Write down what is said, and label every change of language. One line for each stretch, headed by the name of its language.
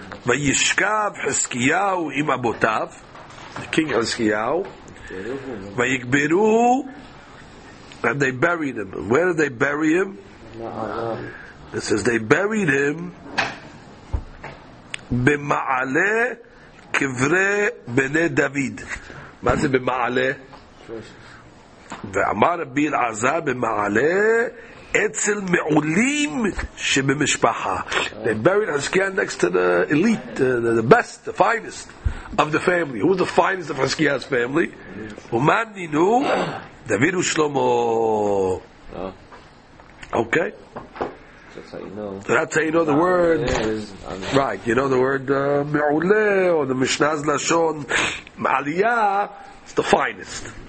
English: The king of Hizkiyahu, and they buried him. Where did they bury him? It says they buried him
Hebrew: b'ma'ale kivre b'nei David. מה זה במעלה? ואמר רבי אלעזר במעלה אצל מעולים שבמשפחה.
English: They buried Hizkiyah next to the elite, the best, the finest of the family. Who was the finest of Hizkiyah's family?
Aramaic: ומאן נינו?
Hebrew: דוד ושלמה.
English: Okay. That's how you know the word. Right, you know the word me'ule or the Mishnah's Lashon Ma'aliyah. It's the finest.